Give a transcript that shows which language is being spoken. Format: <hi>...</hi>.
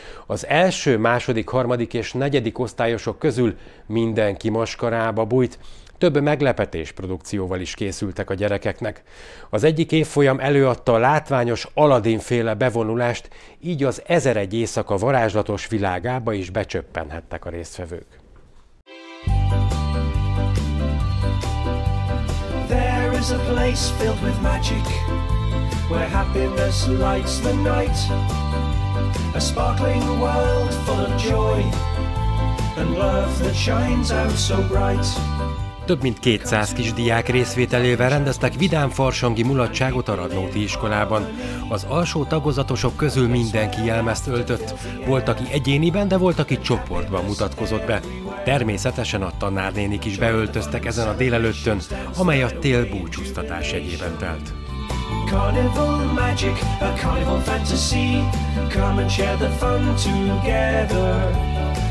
<hu>Az első, második, harmadik és negyedik osztályosok közül mindenki maskarába bújt, több meglepetés produkcióval is készültek a gyerekeknek. Az egyik évfolyam előadta a látványos Aladdin-féle bevonulást, így az 1001 éjszaka varázslatos világába is becsöppenhettek a résztvevők.</hu> <en>There is a place filled with magic, where happiness lights the night. A sparkling world full of joy, and love that shines out so bright.</en> <hu>Több mint 200 kisdiák részvételével rendeztek vidám farsangi mulatságot a Radnóti iskolában. Az alsó tagozatosok közül mindenki jelmezt öltött. Volt, aki egyéniben, de volt, aki csoportban mutatkozott be. Természetesen a tanárnénik is beöltöztek ezen a délelőttön, amely a tél búcsúztatás jegyében telt.</hu> <en>Carnival magic, a carnival fantasy, come and share the fun together.</en>